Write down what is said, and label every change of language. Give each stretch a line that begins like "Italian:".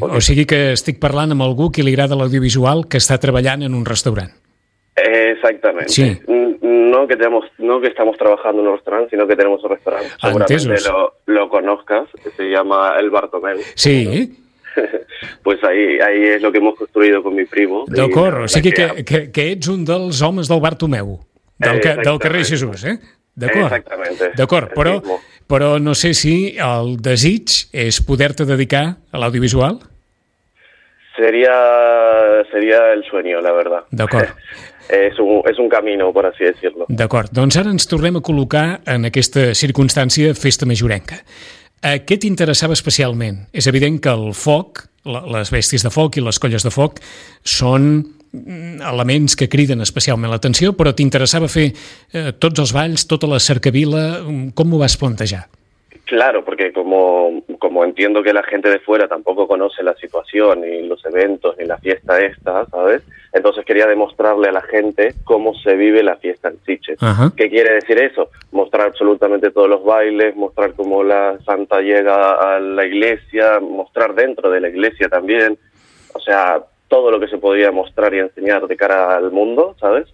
Catalan: O sigui que estic parlant amb algú que li agrada l'audiovisual que està treballant en un restaurant. Exactament. Sí.
Spanish: No que estamos trabajando en un restaurant, sinó que tenemos un restaurant. Seguramente lo conozcas, se llama El Bartomeu. Sí. Pues ahí es lo que hemos construido con mi primo.
Catalan: D'acord, o sigui que ets un dels homes del Bartomeu, del carrer Jesús, eh? D'acord. Exactament. D'acord, però no sé si el desig és poder-te dedicar a l'audiovisual.
Spanish: Seria el sueño, la verdad.
Catalan: D'acord.
Spanish: és un camino, por así decirlo.
Catalan: D'acord, doncs ara ens tornem a col·locar en aquesta circumstància festa majorenca. A què t'interessava especialment? És evident que el foc, les bèsties de foc i les colles de foc són elements que criden especialment l'atenció, però t'interessava fer tots els balls, tota la cercavila, com ho vas plantejar?
Spanish: Claro, porque como entiendo que la gente de fuera tampoco conoce la situación, ni los eventos, ni la fiesta esta, ¿sabes? Entonces quería demostrarle a la gente cómo se vive la fiesta en Sitges. Ajá. ¿Qué quiere decir eso? Mostrar absolutamente todos los bailes, mostrar cómo la santa llega a la iglesia, mostrar dentro de la iglesia también, o sea, todo lo que se podía mostrar y enseñar de cara al mundo, ¿sabes?